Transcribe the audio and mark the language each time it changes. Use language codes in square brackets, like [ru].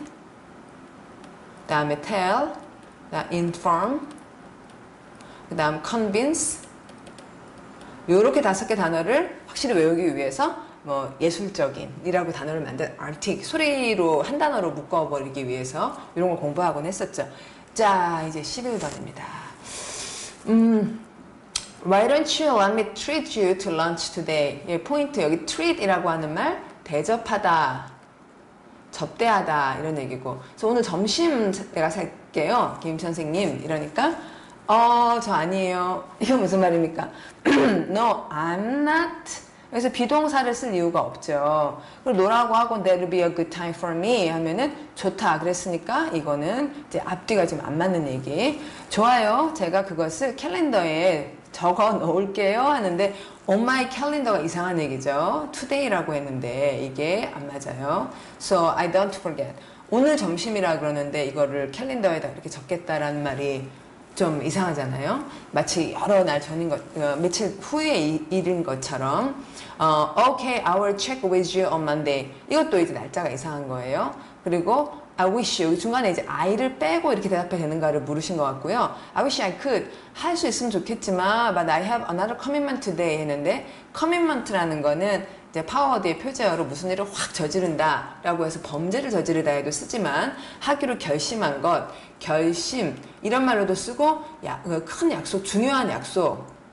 [ko] 그 다음에 tell. 그다음 inform. 그 다음 convince. 요렇게 다섯 개 단어를 확실히 외우기 위해서 뭐 예술적인이라고 단어를 만든 artic. 소리로 한 단어로 묶어버리기 위해서 이런 걸 공부하곤 했었죠. 자, 이제 11번입니다. [en] Why don't you let me treat you to lunch today? [ko] 예, 포인트, 여기 treat이라고 하는 말, 대접하다, 접대하다, 이런 얘기고. 그래서 오늘 점심 내가 살게요, 김 선생님. 이러니까, 저 아니에요. 이거 무슨 말입니까? [en] No, I'm not. [ko] 그래서 비동사를 쓸 이유가 없죠. 그리고 no라고 하고 [en] that'll be a good time for me [ko] 하면은 좋다 그랬으니까 이거는 이제 앞뒤가 지금 안 맞는 얘기. 좋아요. 제가 그것을 캘린더에 적어 놓을게요 하는데 [en] on my calendar [ko] 가 이상한 얘기죠. today라고 했는데 이게 안 맞아요. [en] so I don't forget. [ko] 오늘 점심이라 그러는데 이거를 캘린더에다 이렇게 적겠다라는 말이 좀 이상하잖아요. 마치 여러 날 전인 것, 며칠 후의 일인 것처럼. [en] okay, I will check with you on Monday. [ko] 이것도 이제 날짜가 이상한 거예요. 그리고 I wish, 여기 중간에 이제 I를 빼고 이렇게 대답해야 되는가를 물으신 것 같고요. [en] I wish I could. [ko] 할수 있으면 좋겠지만, [en] but I have another commitment today [ko] 했는데, commitment라는 거는 이제 power word의 표제어로 무슨 일을 확 저지른다라고 해서 범죄를 저지르다에도 쓰지만, 하기로 결심한 것, 결심, 이런 말로도 쓰고, 큰 약속, 중요한 약속.